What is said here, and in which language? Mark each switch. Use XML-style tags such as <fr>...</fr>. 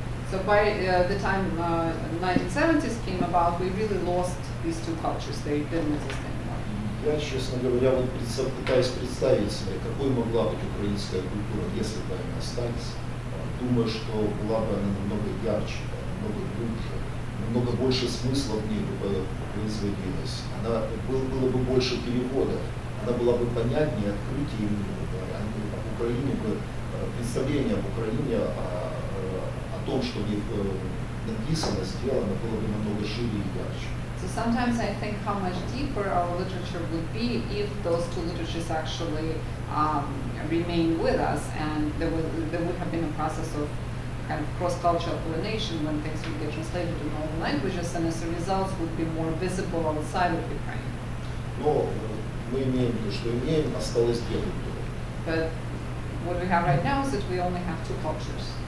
<en>So by the time 1970s came about, we really lost these two cultures. They didn't exist anymore.</en> <ru>Я, честно говоря, вот пытаюсь представить себе, какой могла быть украинская культура, если бы она осталась. Думаю, что была бы она намного ярче, намного глубже, намного больше смысла в ней бы производилось. Она было бы больше переводов, она была бы понятнее, открытие именно говоря, об Украине бы представление об Украине, о том, что в ней написано, сделано, было бы намного шире и ярче.</ru> <en>So sometimes I think how much deeper our literature would be if those two literatures actually remain with us, and there would have been a process of kind of cross-cultural pollination when things would get translated in all languages, and as a result would be more visible outside of Ukraine.</en> <ru>Но мы имеем то, что имеем, осталось две культуры.</ru> <en>But what we have right now is that we only have two cultures.</en>